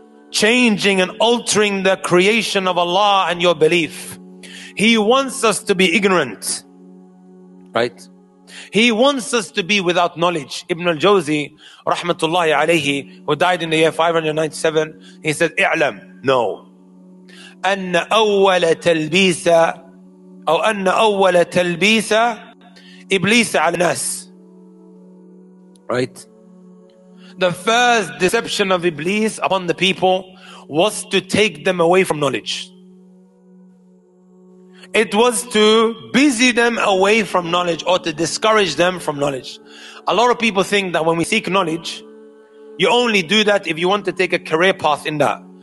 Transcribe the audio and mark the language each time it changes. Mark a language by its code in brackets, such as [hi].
[en] Changing and altering the creation of Allah and your belief. He wants us to be ignorant. Right? He wants us to be without knowledge. Ibn al-Jawzi, rahmatullahi alayhi, who died in the year 597, he said, "I'lam, know. [ar] أن أول تلبيسة أو أن أول تلبيسة إبليس على الناس." [en] Right? The first deception of Iblis upon the people was to take them away from knowledge. It was to busy them away from knowledge, or to discourage them from knowledge. A lot of people think that when we seek knowledge, you only do that if you want to take a career path in that.